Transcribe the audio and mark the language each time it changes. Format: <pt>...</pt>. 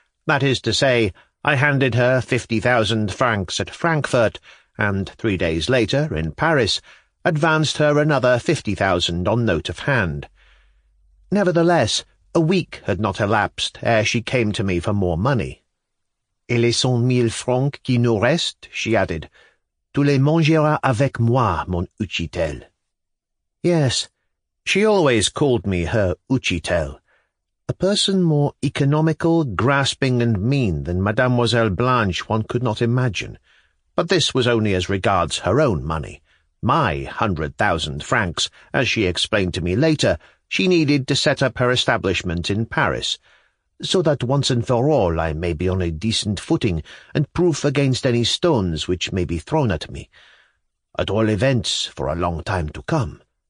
<en>That is to say, I handed her 50,000 francs at Frankfurt, and 3 days later, in Paris, advanced her another 50,000 on note of hand. Nevertheless, a week had not elapsed ere she came to me for more money.</en> <fr>"Et les 100,000 francs qui nous restent,"</fr> <en>she added,</en> <fr>"tu les mangeras avec moi, mon utchitel."</fr> <en>Yes, she always called me her utchitel. A person more economical, grasping, and mean than Mademoiselle Blanche one could not imagine. But this was only as regards her own money. My 100,000 francs, as she explained to me later, she needed to set up her establishment in Paris, so that once and for all I may be on a decent footing and proof against any stones which may be thrown at me, at all events for a long time to come.</en>